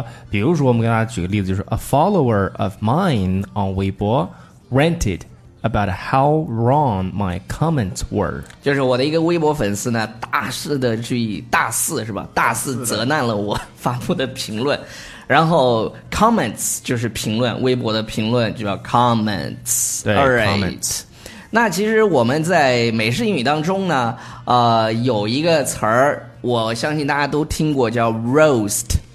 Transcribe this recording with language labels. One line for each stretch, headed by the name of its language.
Chinese: 比如说我们给大家举个例子，就是
English: a follower of mine on 微博 ranted about how wrong my comments were.
Chinese: 就是我的一个微博粉丝呢，大肆的去大肆是吧？大肆责难了我发布的评论。然后 comments 就是评论，微博的评论就叫 comments。对
English: ，all right。 Comments。
Chinese: 那其实我们在美式英语当中呢，有一个词儿，我相信大家都听过，叫 roast，